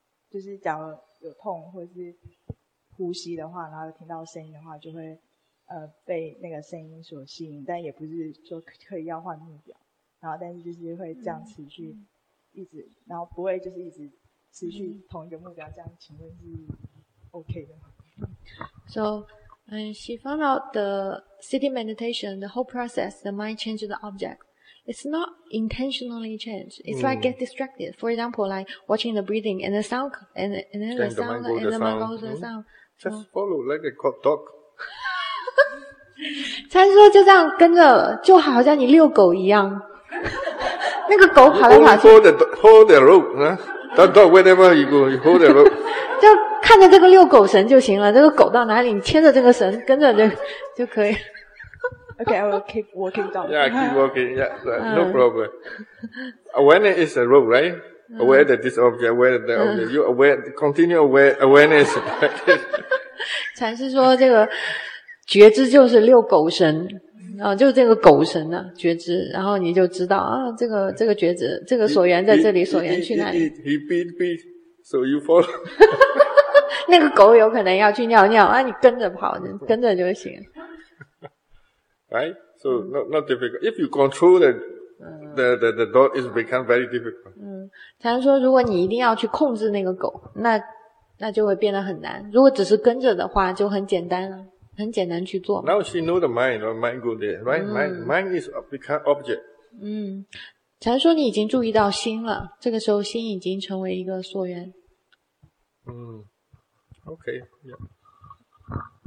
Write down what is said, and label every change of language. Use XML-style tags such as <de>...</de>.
<zh>就是假如有痛或是呼吸的话，然后听到声音的话，就会被那个声音所吸引，但也不是说刻意要换目标，然后但是就是会这样持续一直，然后不会就是一直持续同一个目标，这样请问是 OK 的吗？</zh> <en>So, she found out the sitting meditation, the whole process, the mind changes the object. It's not intentionally changed. It's like get distracted. For example, like watching the breathing and the sound, and then the sound, the and the mind goes the sound. Just follow like a dog.</en> <zh>禅师说就这样跟着，就好像你遛狗一样。那个狗跑来跑去。</zh> <en>Hold the rope, huh? That dog, wherever you go, you hold the rope.</en> <zh>就看着这个遛狗绳就行了。这个狗到哪里，你牵着这个绳，跟着这就可以。</zh> <en>Okay, I will keep walking down. Yeah, keep walking, yeah, no problem. Awareness is a rope, right? Aware that this object, aware that the object. You aware, continue aware, awareness.</en> <zh>禅师说这个觉知就是遛狗绳，就是这个狗绳啊，觉知，然后你就知道啊，这个觉知，这个所缘在这里，所缘去哪里。</zh> <en>He beat, so you follow.</en> <zh>那个狗有可能要去尿尿啊，你跟着跑，跟着就行。</zh> <en>Right? So, not difficult. If you control the dog, it becomes very difficult.</en> <zh>禅师说如果你一定要去控制那个狗，那就会变得很难。如果只是跟着的话，就很简单了，很简单去做。</zh> <en>Now she knows the mind, the mind go there, right? Mind is become object.</en> <zh>禅师说你已经注意到心了，这个时候心已经成为一个所缘。</zh> <en>Okay, yeah.</en>